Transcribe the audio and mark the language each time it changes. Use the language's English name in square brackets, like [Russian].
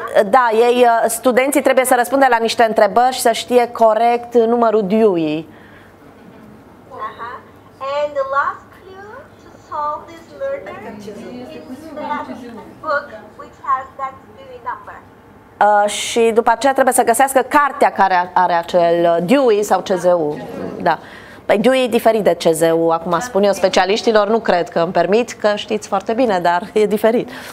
[Romanian] Da, ei, studenții trebuie să răspundă la niște întrebări și să știe corect numărul Dewey. Uh-huh. [English] And the last clue to solve this murder is that book which has that Dewey number. [Romanian] Și după aceea trebuie să găsească cartea care are acel Dewey sau CZU. Da. Păi Dewey e diferit de CZU, acum spun eu specialiștilor, nu cred că îmi permit, că știți foarte bine, dar e diferit.